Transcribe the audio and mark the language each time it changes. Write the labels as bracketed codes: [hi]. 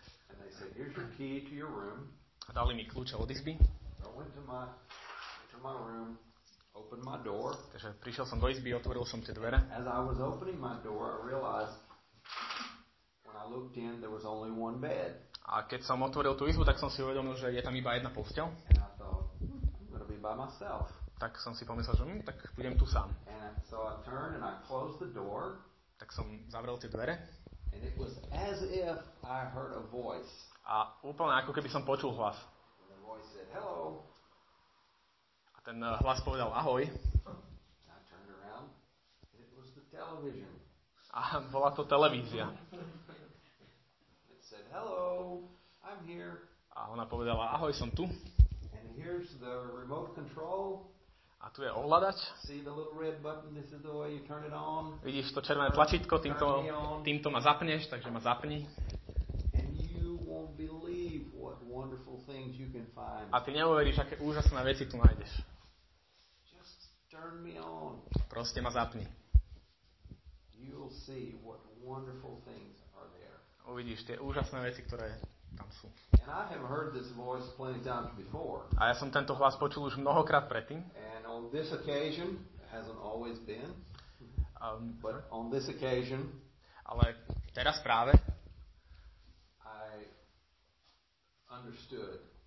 [en] And they said here's your key to your room. [sk] A dali mi kľúče od izby. [en] I went to my room, opened my door. [sk] Takže prišiel som do izby, otvoril som tie dvere. [en] As I was opening my door, I realized when I looked in, there was only one bed. [sk] A keď som otvoril tú izbu, tak som si uvedomil, že je tam iba jedna posteľ. [en] And I thought, I'm gonna be by myself. [sk] Tak som si pomyslel, že tak budem tu sám. [en] And so I turned and I closed the door. [sk] Tak som zavrel tie dvere. [en] And it was as if I heard a voice. [sk] A úplne ako keby som počul hlas. [en] The voice said, hello. [sk] A ten hlas povedal ahoj. [en] I turned around. It was the television. [sk] A bola to televízia. [en] It said, hello, I'm here. [sk] A ona povedala ahoj, som tu. [en] And here's the remote control. [sk] A tu je ovladač. [en] See the little red button, this is the way you turn it on. [sk] Vidíš to červené tlačítko, týmto ma zapneš, takže ma zapni. [en] And you won't believe what wonderful things you can find. [sk] A ty neuveríš, aké úžasné veci tu nájdeš. [en] Just turn me on. [sk] Proste ma zapni. [en] You'll see what wonderful things are there. [sk] Uvidíš tie úžasné veci, ktoré tam sú. [en] And I have heard this voice plenty of times before. [sk] A ja som tento hlas počul už mnohokrát predtým. [en] And on this occasion hasn't always been. But on this occasion, [sk] ale teraz práve [en] I understood.